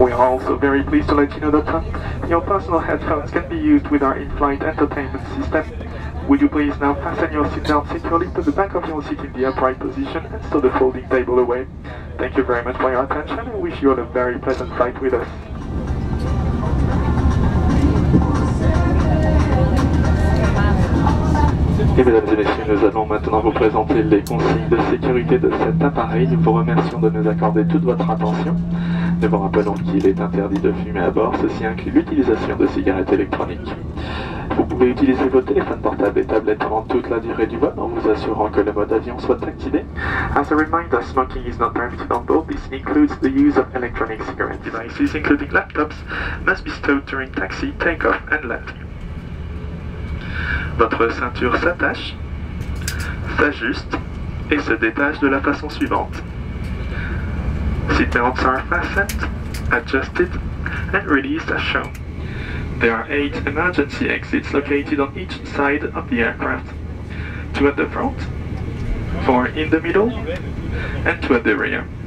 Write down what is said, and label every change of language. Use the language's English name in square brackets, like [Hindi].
[English] We are also very pleased to let you know that your personal headphones can be used with our in-flight entertainment system. Would you please now fasten your seatbelt securely, put the back of your seat in the upright position, and stow the folding table away. Thank you very much for your attention, and wish you all a very pleasant flight with us. [French] Et mesdames et messieurs, nous allons maintenant vous présenter les consignes de sécurité de cet appareil. Nous vous remercions de nous accorder toute votre attention. Nous vous rappelons qu'il est interdit de fumer à bord, ceci inclut l'utilisation de cigarettes électroniques. Vous pouvez utiliser vos téléphones portables et tablettes pendant toute la durée du vol en vous assurant que le mode avion soit activé. [English] As a reminder, smoking is not permitted on board. This includes the use of electronic cigarette devices, including laptops, must be stowed during taxi, take-off and landing. [French] Votre ceinture s'attache, s'ajuste et se détache de la façon suivante. [English] Seatbelts are fastened, adjusted and released as shown. There are 8 emergency exits located on each side of the aircraft. 2 at the front, 4 in the middle, and 2 at the rear.